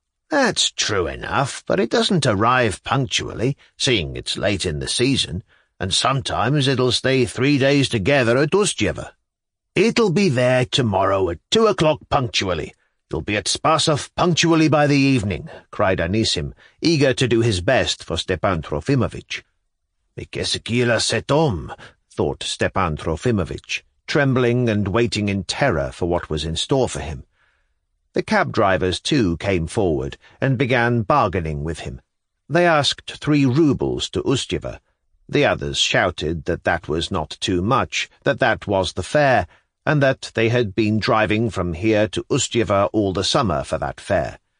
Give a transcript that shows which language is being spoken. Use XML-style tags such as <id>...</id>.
<en>"That's true enough, but it doesn't arrive punctually, seeing it's late in the season, and sometimes it'll stay 3 days together at Ustyevo. It'll be there tomorrow at 2 o'clock punctually. It'll be at Spasov punctually by the evening," cried Anisim, eager to do his best for Stepan Trofimovich.</en> <fr>"Mais qu'est-ce qu'il a cet homme?"</fr> <en>thought Stepan Trofimovich, trembling and waiting in terror for what was in store for him. The cab drivers, too, came forward and began bargaining with him. They asked 3 rubles to Ustyevo. The others shouted that that was not too much, that that was the fare, and that they had been driving from here to Ustyevo all the summer for that fare.</en>